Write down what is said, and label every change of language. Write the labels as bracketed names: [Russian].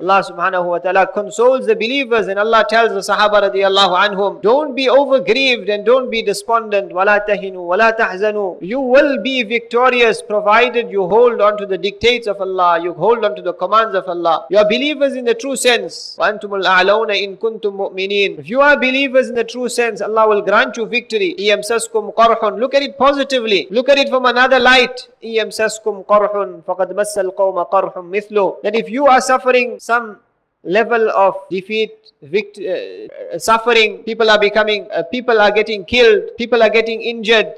[English] Allah subhanahu wa ta'ala consoles the believers, and Allah tells the Sahaba radiallahu anhum, don't be over grieved and don't be despondent. [Arabic] وَلَا تَهِنُوا وَلَا تَحْزَنُوا. [English] You will be victorious provided you hold on to the dictates of Allah, you hold on to the commands of Allah. You are believers in the true sense. [Arabic] وأنتم الأعلون إن كنتم مؤمنين. [English] If you are believers in the true sense, Allah will grant you victory. [Arabic] إِيَمْسَسْكُمْ قَرْحٌ. [English] Look at it positively. Look at it from another light. [Arabic] إِيَمْسَسْكُمْ قَرْحٌ فَقَدْ مَسَّ الْقَوْمَ قَرْحٌ مِثْلُهُ. [English] That if you are suffering some level of defeat, suffering, people are getting killed, people are getting injured.